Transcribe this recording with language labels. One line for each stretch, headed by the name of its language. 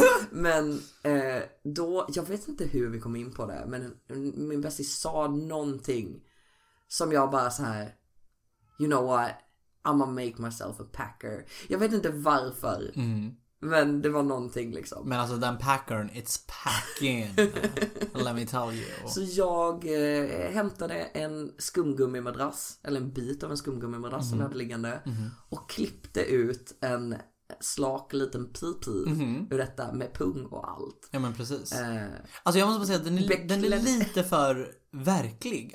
Swedish: Men då, jag vet inte hur vi kom in på det, men min bästis sa någonting som jag bara så här,
English: you know what, I'm gonna make myself a packer.
Swedish: Jag vet inte varför. Men det var någonting liksom. Men alltså den packern,
English: it's packing. Let me tell you.
Swedish: Så jag hämtade en skumgummimadrass, eller en bit av en skumgummimadrass som jag hade liggande. Och klippte ut en slak liten pipi ur detta med pung och allt. Ja, men precis. Alltså jag måste bara säga att den är lite för verklig.